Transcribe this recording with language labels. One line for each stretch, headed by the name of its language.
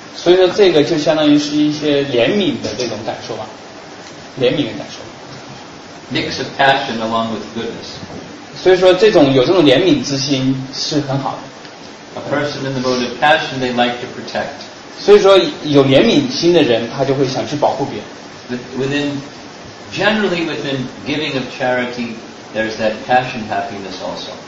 Chinese: 所以说这个就相当于是一些怜悯的这种感受吧。怜悯的感受。
English: Mix of passion along with goodness.
Chinese: 所以说这种有这种怜悯之心是很好的。
English: A person in the mode of passion, they like to protect.
Chinese: 所以说有怜悯心的人他就会想去保护别人。
English: Generally within giving of charity, there's that passion happiness also.